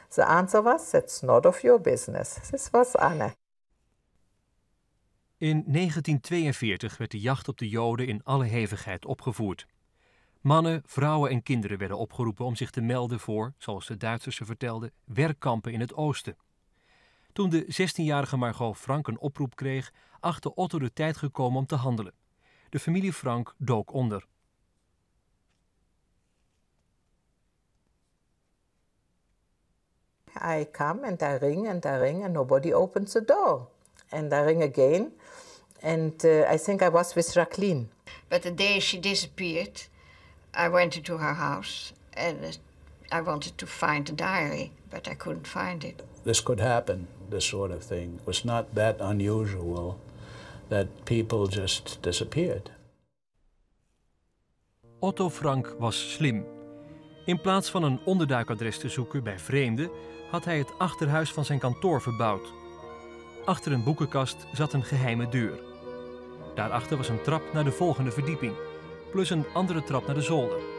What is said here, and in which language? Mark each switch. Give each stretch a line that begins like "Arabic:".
English: The answer was, that's not of your business. This was Anne.
Dutch: In 1942 werd de jacht op de Joden in alle hevigheid opgevoerd. Mannen, vrouwen en kinderen werden opgeroepen om zich te melden voor, zoals de Duitsers ze vertelden, werkkampen in het oosten. Toen de 16-jarige Margot Frank een oproep kreeg, achtte Otto de tijd gekomen om te handelen. De familie Frank dook onder.
English: I come and I ring and I ring and nobody opens the door. And I ring again. And I think I was with Jacqueline. But the day she disappeared, I went into her house and I wanted to find the diary, but I couldn't find it. This could happen, this sort of thing. It was not that unusual that people just disappeared.
Dutch: Otto Frank was slim. In plaats van een onderduikadres te zoeken bij vreemden, had hij het achterhuis van zijn kantoor verbouwd. Achter een boekenkast zat een geheime deur. Daarachter was een trap naar de volgende verdieping, plus een andere trap naar de zolder.